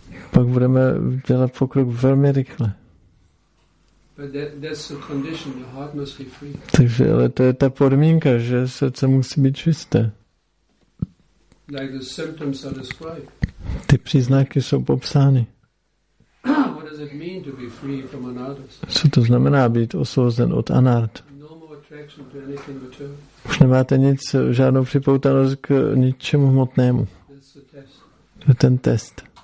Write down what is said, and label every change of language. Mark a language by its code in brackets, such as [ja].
[cs] Pak budeme dělat pokrok velmi rychle. [en] That's the condition. The heart must be free. [cs] Takže, ale to je ta podmínka, že srdce musí být čisté. [en] Like the symptoms are described. [cs] Ty příznaky jsou popsány. [en] What does it mean to be free from anarthas? [cs] Co to znamená být osvobozen od anart? [en] No more attraction to anything material. [cs] Už nemáte nic, žádnou připoutanost k ničemu hmotnému. To je ten test.